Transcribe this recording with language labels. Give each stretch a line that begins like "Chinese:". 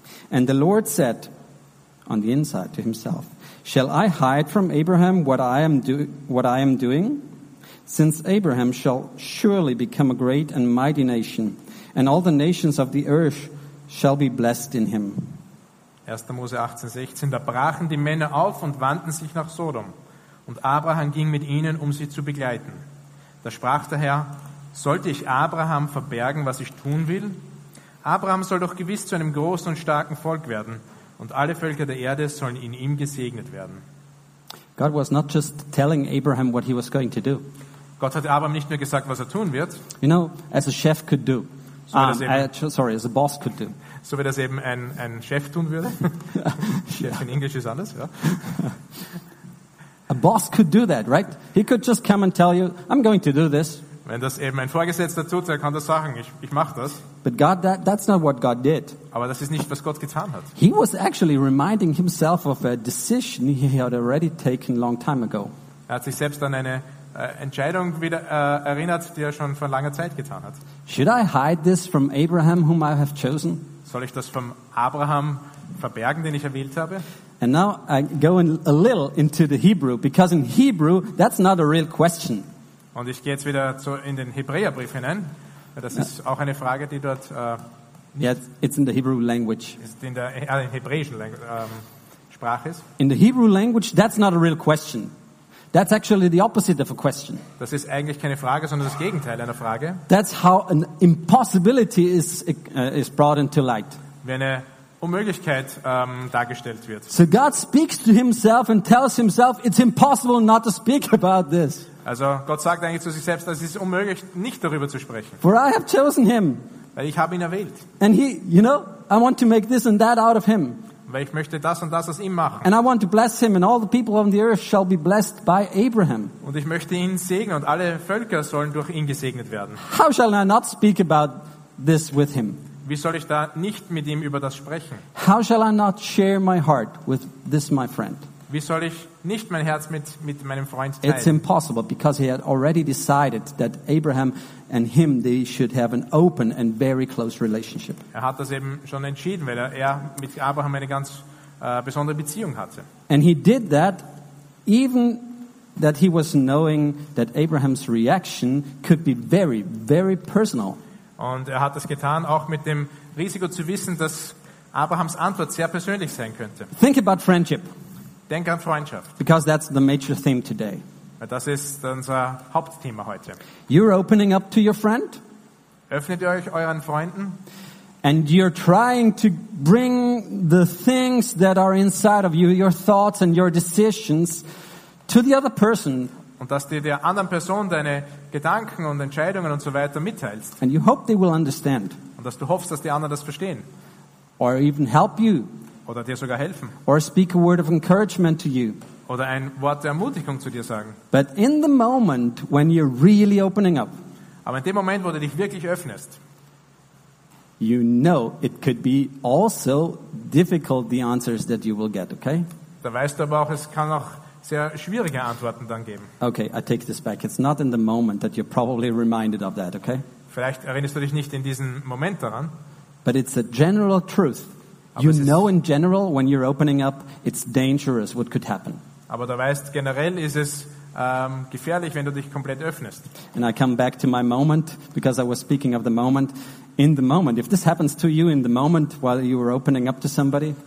English: And the Lord said on the inside to himself, shall I hide from Abraham what I am doing? Since Abraham shall surely become a great and mighty nation, and all the nations of the earth shall be blessed in him.
German: 1. Mose 18, 16, da brachen die Männer auf und wandten sich nach Sodom. Und Abraham ging mit ihnen, um sie zu begleiten. Da sprach der Herr, sollte ich Abraham verbergen, was ich tun will? Abraham soll doch gewiss zu einem großen und starken Volk werden, und alle Völker der Erde sollen in ihm gesegnet werden.
English: God was not just telling Abraham what he was going to do.
German: Gott hat Abraham nicht nur gesagt, was tun wird.
English: You know, as a chef could do. As a boss could do.
German: So wie das eben ein Chef tun würde. Chef in Englisch ist anders, ja.
English: A boss could do that, right? He could just come and tell you, I'm going to do this.
German: Wenn das eben ein Vorgesetzter tut, er kann das sagen, ich mache das.
English: But God, that's not what God did.
German: Aber das ist nicht, was Gott getan hat.
English: He was actually reminding himself of a decision he had already taken long time ago.
German: Er hat sich selbst an eine Entscheidung wieder erinnert, die er schon vor langer Zeit getan hat.
English: Should I hide this from Abraham, whom I have chosen?
German: Soll ich das vom Abraham verbergen, den ich erwählt habe?
English: And now I go in a little into the Hebrew, because in Hebrew that's not a real question.
German: Und ich gehe jetzt wieder in den Hebräerbrief hinein. Das ist auch eine Frage, die dort.
English: It's in the Hebrew language.
German: Ist in der hebräischen Sprache ist.
English: In the Hebrew language, that's not a real question. That's actually the opposite of a question.
German: Das ist eigentlich keine Frage, sondern das Gegenteil einer Frage.
English: That's how an impossibility is brought into light.
German: Wie eine Unmöglichkeit dargestellt wird.
English: So God speaks to himself and tells himself, it's impossible not to speak about this.
German: Also Gott sagt eigentlich zu sich selbst, es ist unmöglich, nicht darüber zu sprechen.
English: For I have chosen him.
German: Weil ich habe ihn erwählt.
English: And he, you know, I want to make this and that out of him.
German: Weil ich möchte das und das aus ihm machen.
English: And I want to bless him and all the people on the earth shall be blessed by Abraham.
German: Und ich möchte ihn segnen und alle Völker sollen durch ihn gesegnet werden.
English: How shall I not speak about this with him?
German: Wie soll ich da nicht mit ihm über das sprechen?
English: How shall I not share my heart with this my friend?
German: Wie soll ich nicht mein Herz mit meinem Freund teilen?
English: It's impossible because he had already decided that Abraham and him they should have an open and very close relationship.
German: Er hat das eben schon entschieden, weil er mit Abraham eine ganz besondere Beziehung hatte.
English: And he did that even that he was knowing that Abraham's reaction could be very, very personal.
German: Und er hat das getan auch mit dem Risiko zu wissen, dass Abrahams Antwort sehr persönlich sein könnte.
English: Think about friendship.
German: Denk an Freundschaft.
English: Because that's the major theme today.
German: Das ist unser Hauptthema heute.
English: You're opening up to your friend.
German: Öffnet ihr euch euren Freunden.
English: And you're trying to bring the things that are inside of you, your thoughts and your decisions, to the other person.
German: Und dass du der anderen Person deine Gedanken und Entscheidungen und so weiter mitteilst.
English: And you hope they will understand.
German: Und dass du hoffst, dass die anderen das verstehen.
English: Or even help you.
German: Oder dir sogar helfen.
English: Or speak a word of encouragement to you.
German: Oder ein Wort der Ermutigung zu dir sagen.
English: But in the moment when you're really opening up.
German: Aber in dem Moment, wo du dich wirklich öffnest.
English: you know it could be also difficult, the answers that you will get, okay?
German: Da weißt du aber auch, es kann auch sehr schwierige Antworten dann geben.
English: Okay, I take this back. It's not in the moment that you're probably reminded of that, okay?
German: Vielleicht erinnerst du dich nicht in diesem Moment daran.
English: But it's a general truth. You know in general when you're opening up, it's dangerous what could happen.
German: Aber du weißt, generell ist es gefährlich, wenn du dich komplett öffnest.
English: And I come back to my moment, because I was speaking of the moment. In the moment, if this happens to you in the moment while you were opening up to somebody,